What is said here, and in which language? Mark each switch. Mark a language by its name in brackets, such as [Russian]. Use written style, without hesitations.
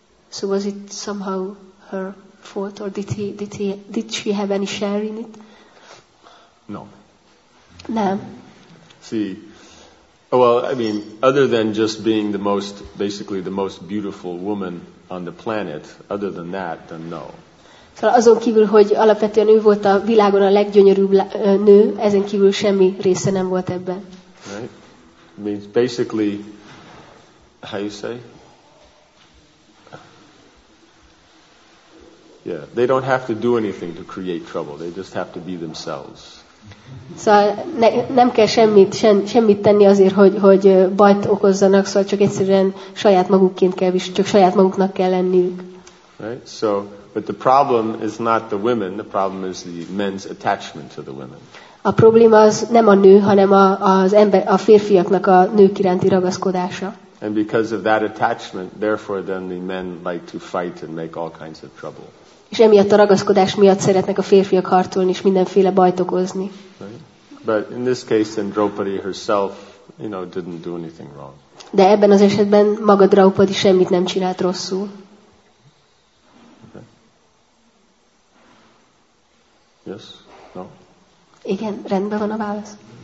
[English] So was it somehow her fault, or did she have any share in it? No. Nah. See. Well, I mean, other than just being the most, basically the most beautiful woman on the planet, other than that, then no. [Hungarian] Szóval azon kívül, hogy alapvetően ő volt a világon a leggyönyörűbb nő, ezen kívül semmi része nem volt ebben. [English] Right? I mean, basically, how you say? Yeah, they don't have to do anything to create trouble. They just have to be themselves. [Hungarian] Szóval nem kell semmit tenni azért, hogy bajt okozzanak, szóval csak egyszerűen saját magukként kell is, csak saját maguknak kell lenniük. [English] Right? So, but the problem is not the women, the problem is the men's attachment to the women. [Hungarian] A probléma az nem a nő, hanem a férfiaknak a nők iránti ragaszkodása. [English] And because of that attachment, therefore then the men like to fight and make all kinds of trouble. [Hungarian] És emiatt a ragaszkodás miatt szeretnek a férfiak harcolni és mindenféle bajt okozni. [English] But in this case, then Draupadi herself, you know, didn't do anything wrong. [Hungarian] De ebben az esetben maga Draupadi semmit nem csinált rosszul. [English] Okay. Yes? No? [Hungarian] Igen, rendben van a válasz.